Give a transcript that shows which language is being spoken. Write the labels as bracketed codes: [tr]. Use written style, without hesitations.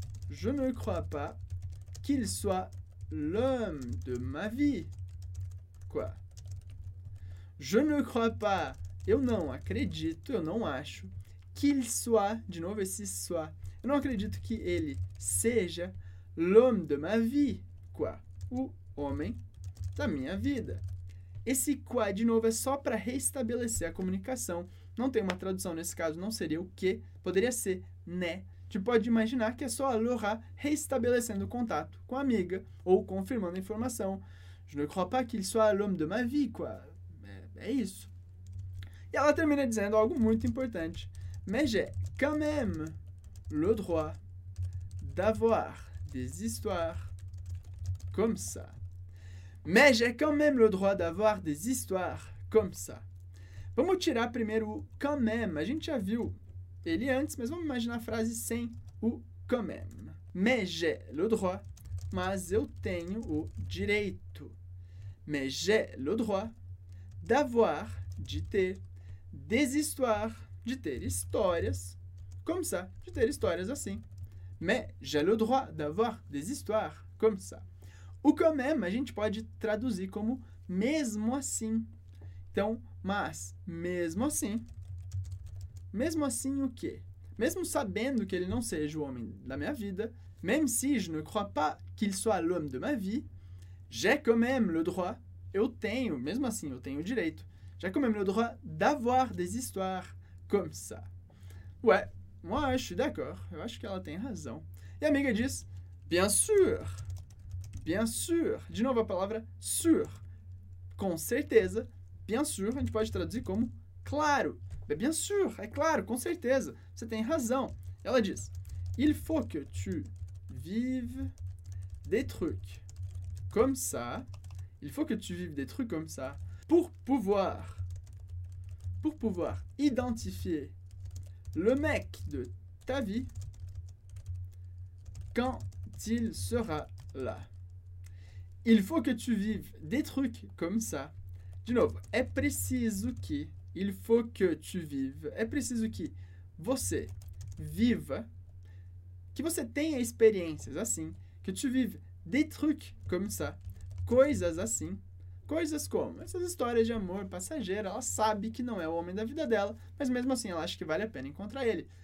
[fr] Je ne crois pas qu'il soit l'homme de ma vie. Quoi? Je ne crois pas, [pt] eu não acredito, eu não acho, [fr] qu'il soit, [pt] de novo esse soit, eu não acredito que ele seja [fr] l'homme de ma vie, quoi, [pt] o homem da minha vida. Esse quoi, de novo, é só para restabelecer a comunicação. Não tem uma tradução nesse caso, não seria o que, poderia ser né. Tu pode imaginar que é só a Laura restabelecendo o contato com a amiga ou confirmando a informação. [fr] Je ne crois pas qu'il soit l'homme de ma vie, quoi. [pt] É isso. E ela termina dizendo algo muito importante. [fr] Mais j'ai quand même le droit d'avoir des histoires comme ça. Mais j'ai quand même le droit d'avoir des histoires comme ça. [pt] Vamos tirar primeiro o [fr] quand même. [pt] A gente já viu ele antes, mas vamos imaginar a frase sem o [fr] quand même. Mais j'ai le droit. [pt] Mas eu tenho o direito. [fr] Mais j'ai le droit d'avoir, [pt] de ter, [fr] des histoires, [pt] de ter histórias, [fr] comme ça, [pt] de ter histórias assim. [fr] Mais j'ai le droit d'avoir des histoires, comme ça. [pt] O [fr] quand même, [pt] a gente pode traduzir como mesmo assim. Então, mas, mesmo assim o quê? Mesmo sabendo que ele não seja o homem da minha vida, [fr] même si je ne crois pas qu'il soit l'homme de ma vie, j'ai quand même le droit, [pt] eu tenho, mesmo assim, eu tenho o direito, [fr] j'ai quand même le droit d'avoir des histoires comme ça. Ouais, moi je suis d'accord, [pt] eu acho que ela tem razão. E a amiga diz, [fr] bien sûr, [pt] de novo a palavra sûr, com certeza, bien sûr, a gente pode traduzir como claro, bien sûr, é claro, com certeza, você tem razão. Ela diz, [fr] il faut que tu vives des trucs comme ça, il faut que tu vives des trucs comme ça, pour pouvoir identifier le mec de ta vie quand il sera là. Il faut que tu vives des trucs comme ça. [pt] De novo, é preciso que, [fr] il faut que tu vives, [pt] é preciso que você viva, que você tenha experiências assim, [fr] que tu vives des trucs comme ça, [pt] coisas assim, coisas como essas histórias de amor passageira, ela sabe que não é o homem da vida dela, mas mesmo assim ela acha que vale a pena encontrar ele.